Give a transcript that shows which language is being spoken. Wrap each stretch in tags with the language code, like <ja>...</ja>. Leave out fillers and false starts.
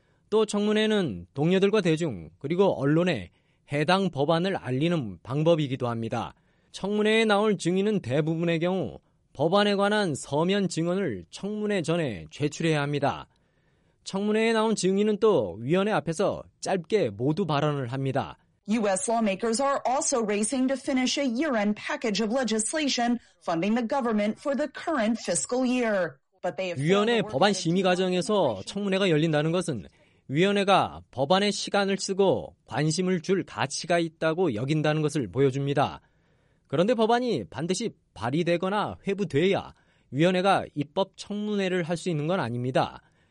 <ko>또 청문회는 동료들과 대중 그리고 언론에 해당 법안을 알리는 방법이기도 합니다. 청문회에 나올 증인은 대부분의 경우 법안에 관한 서면 증언을 청문회 전에 제출해야 합니다. 청문회에 나온 증인은 또 위원회 앞에서 짧게 모두 발언을 합니다.</ko> <en>U.S. lawmakers are also racing to finish a year-end package of legislation funding the government for the current fiscal year. But they have</en> <ko>위원회 법안 심의 과정에서 청문회가 열린다는 것은 위원회가 법안에 시간을 쓰고 관심을 줄 가치가 있다고 여긴다는 것을 보여줍니다. 그런데 법안이 반드시 발의되거나 회부돼야 위원회가 입법 청문회를 할 수 있는 건 아닙니다.</ko>